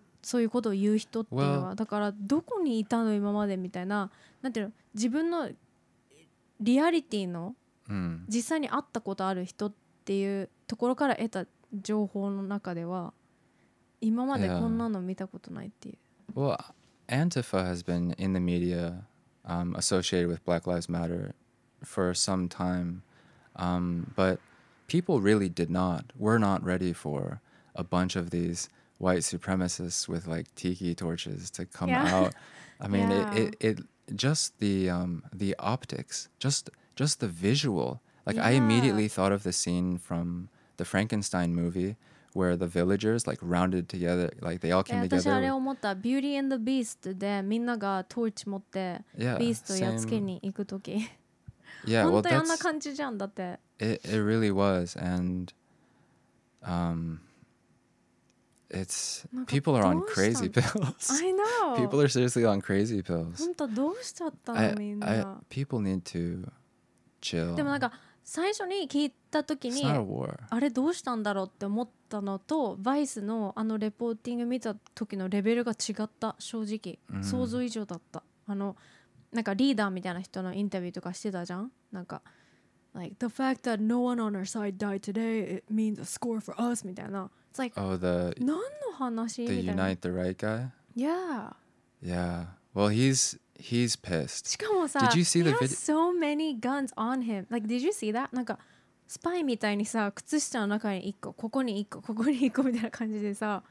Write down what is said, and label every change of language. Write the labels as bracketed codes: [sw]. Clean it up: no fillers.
[ja] そういうことを言う人っていうのは、well, だからどこにいたの今までみたいな、なんていうの、自分のリアリティの、 mm-hmm. 実際に会ったことある人っていうところから得た情報の中では今までこんなの見たことないっていう、 [en] yeah. Well, Antifa has been in the media associated with Black Lives Matter for some time but people really were not ready for a bunch of these white supremacists with like tiki torches to come yeah. out. I mean, yeah. it just the optics, just the visual. Like yeah. I immediately thought of the scene from the Frankenstein movie where the villagers like rounded together, like they all came yeah, together. [ja] 私あれ思った。Beauty and the Beast でみんながトーチ持って、 [en] yeah, [ja] ビーストやっつけに行くとき。 [en] Yeah, well, that's [ja] 本当にあんな感じじゃん、だって。 [en] It really was, and it's people are on crazy pills. I know. People are seriously on crazy pills. [ja] 本当どうしちゃったのみんな。 [en] People need to chill. [ja] でもなんか最初に聞いた時に、あれどうしたんだろうって思ったのと、Vice のあのレポーティング見た時のレベルが違った。正直、mm-hmm. 想像以上だった。あのなんかリーダーみたいな人のインタビューとかしてたじゃん。なんか。 [en] Like the fact that no one on our side died today, it means a score for us. [ja] みたいな。 [en] It's like, oh, the [ja] 何の話？ [en] The unite the right guy. Yeah. Yeah. Well, he's pissed. [ja] しかもさ、 [en] did you see the video? He has so many guns on him. Like, did you see that? [ja] なんかスパイみたいにさ、靴下の中に一個、ここに一個、ここに一個みたいな感じでさ、